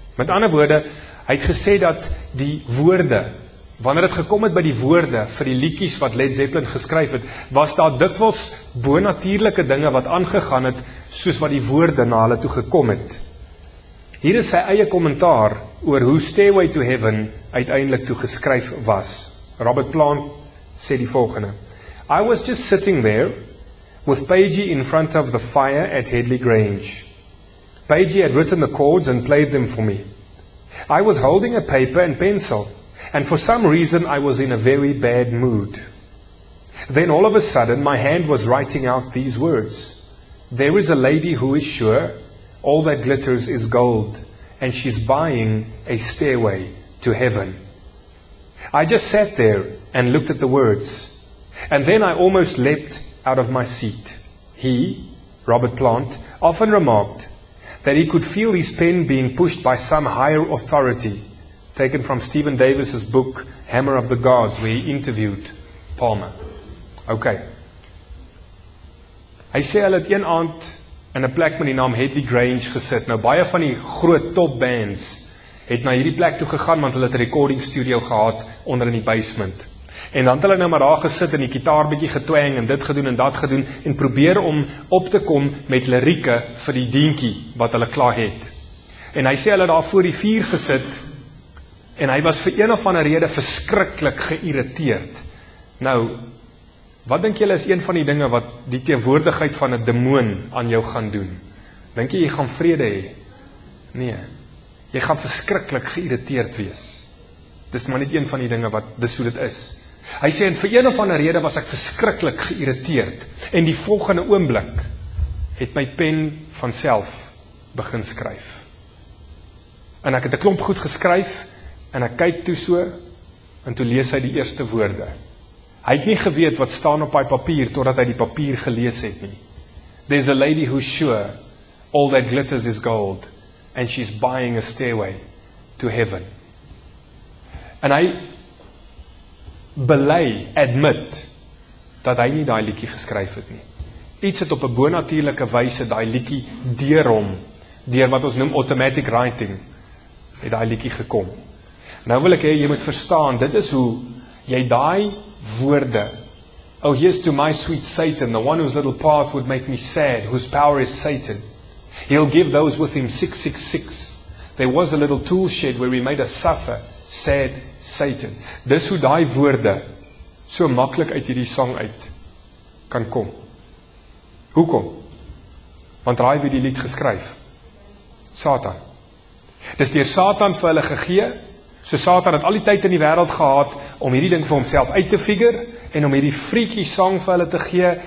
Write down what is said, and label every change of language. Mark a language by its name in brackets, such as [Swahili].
[Afrikaans] Met ander woorde, hy het gesê dat die woorde, wanneer het gekom het by die woorde vir die liedjies wat Led Zeppelin geskryf het, was daar dikwels bonatuurlike dinge wat aangegaan het, soos wat die woorde na hulle toe gekom het. Hier is sy eie kommentaar oor hoe Stairway to Heaven uiteindelik toe geskryf was. Robert Plant sê die volgende: [English] I was just sitting there with Pagey in front of the fire at Headley Grange. Pagey had written the chords and played them for me. I was holding a paper and pencil, and for some reason I was in a very bad mood. Then all of a sudden my hand was writing out these words: There is a lady who is sure all that glitters is gold, and she's buying a stairway to heaven. I just sat there and looked at the words, and then I almost leapt out of my seat. He, Robert Plant, often remarked that he could feel his pen being pushed by some higher authority, taken from Stephen Davis's book Hammer of the Gods, where he interviewed Palmer. Okay. [Afrikaans] Hy sê hulle het een aand in 'n plek met die naam Headley Grange gesit. Nou, baie van die groot top bands het na hierdie plek toe gegaan, want hulle het 'n recording studio gehad onder in die basement. En dan het hulle nou maar daar gesit en die kitaar bietjie getwang en dit gedoen en dat gedoen en probeer om op te kom met lirieke vir die deentjie wat hulle klaar het. En hy sê hulle daar voor die vuur gesit en hy was vir een of ander rede verskriklik geïrriteerd. Nou, wat dink julle is een van die dinge wat die teenwoordigheid van 'n demoon aan jou gaan doen? Dink jy gaan vrede hê? Nee. Jy gaan verskriklik geïrriteerd wees. Dis maar net een van die dinge wat dis hoe dit is. Hy sê, en vir een of ander rede was ek verskriklik geïrriteerd, en die volgende oomblik het my pen vanself begin skryf. En ek het 'n klomp goed geskryf, en ek kyk toe so, en toe lees hy die eerste woorde. Hy het nie geweet wat staan op hy papier, totdat hy die papier gelees het nie. [English] There's a lady who's sure, all that glitters is gold, and she's buying a stairway to heaven. [Afrikaans] En hy belei, admit, dat hy nie daai liedjie geskryf het nie. Iets het op 'n bonatuurlike wyse daai liedjie deur hom, deur wat ons noem automatic writing, het daai liedjie gekom. Nou wil ek hê jy moet verstaan, dit is hoe jy daai woorde, [English] oh, here's to my sweet Satan, the one whose little path would make me sad, whose power is Satan. He'll give those with him 666. There was a little tool shed where he made us suffer, said Satan. [Afrikaans] Dis hoe daai woorde so maklik uit hierdie sang uit kan kom. Hoekom? Want raai wie die lied geskryf? Satan. Dis deur Satan vir hulle gegee So Satan het al die tyd in die wêreld gehad om hierdie ding vir homself uit te figure en om hierdie freaky song vir hulle te gee.